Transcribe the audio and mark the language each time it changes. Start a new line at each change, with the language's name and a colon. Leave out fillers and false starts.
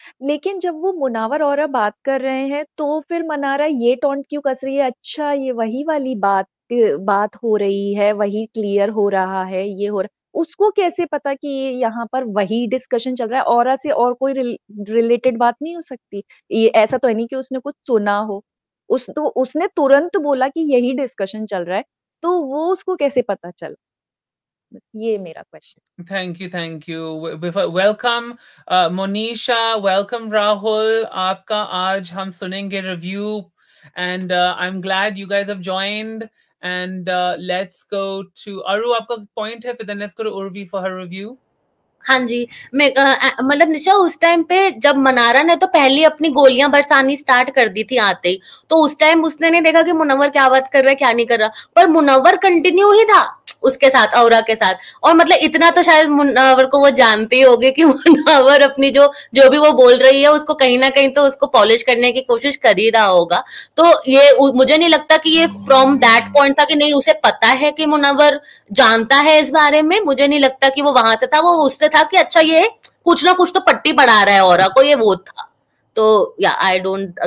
Hindi: लेकिन जब वो मुनावर औरा बात कर रहे हैं तो फिर मनारा ये टॉन्ट क्यों कस रही है, अच्छा ये वही वाली बात बात हो रही है, वही क्लियर हो रहा है, ये हो रहा, उसको कैसे पता कि ये यहाँ पर वही डिस्कशन चल रहा है, औरा से और कोई रिलेटेड बात नहीं हो सकती, ये ऐसा तो है नहीं कि उसने कुछ सुना हो, उस तो उसने तुरंत बोला कि यही डिस्कशन चल रहा है, तो वो उसको कैसे पता चला, ये मेरा question.
English: thank you welcome Monisha, welcome Rahul,
Hindi: आपका आज हम सुनेंगे review
English: And I am glad you guys have joined. And let's go to Aru,
Hindi: aapka point hai,
English: then let's go to Urvi for her review.
Hindi: हाँ जी, मैं मतलब निशा उस टाइम पे जब मनारा ने तो पहली अपनी गोलियां बरसानी स्टार्ट कर दी थी आते ही, तो उस टाइम उसने नहीं देखा कि मुनव्वर क्या बात कर रहा है क्या नहीं कर रहा, पर मुनव्वर कंटिन्यू ही था उसके साथ औरा के साथ, और मतलब इतना तो शायद मुनव्वर को वो जानती होगी कि मुनव्वर अपनी जो जो भी वो बोल रही है उसको कहीं ना कहीं तो उसको पॉलिश करने की कोशिश कर ही रहा होगा, तो ये मुझे नहीं लगता कि ये
English: from that point
Hindi: था कि नहीं उसे पता है कि मुनव्वर जानता है इस बारे में, मुझे नहीं लगता कि वो वहां से था, वो उससे था कि अच्छा ये कुछ ना कुछ तो पट्टी पढ़ा रहा है औरा को, ये वो था, तो
English: या I don't